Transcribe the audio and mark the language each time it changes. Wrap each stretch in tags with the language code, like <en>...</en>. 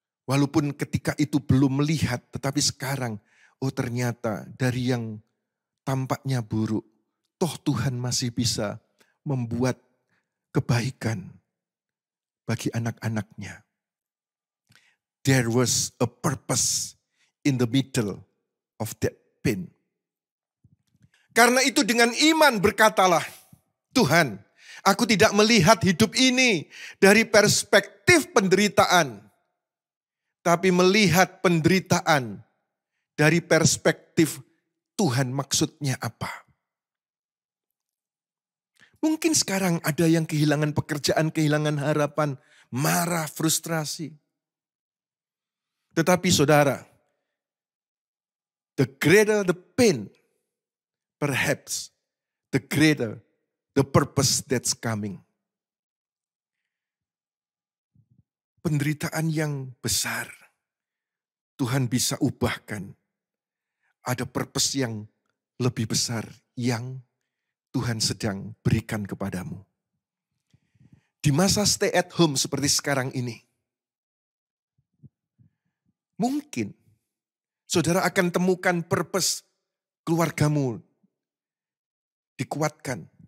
<id>walaupun ketika itu belum melihat, tetapi sekarang, oh ternyata dari yang tampaknya buruk, toh Tuhan masih bisa membuat kebaikan bagi anak-anak-Nya.</id> <en>There was a purpose in the middle of that pain.</en> <id>Karena itu dengan iman berkatalah, Tuhan, aku tidak melihat hidup ini dari perspektif penderitaan, tapi melihat penderitaan dari perspektif Tuhan maksudnya apa. Mungkin sekarang ada yang kehilangan pekerjaan, kehilangan harapan, marah, frustrasi. Tetapi saudara,</id> <en>the greater the pain, perhaps the greater the purpose that's coming.</en> <id>Penderitaan yang besar, Tuhan bisa ubahkan. Ada purpose yang lebih besar yang Tuhan sedang berikan kepadamu. Di masa</id> <en>stay at home</en> <id>seperti sekarang ini, mungkin saudara akan temukan purpose keluargamu dikuatkan.</id>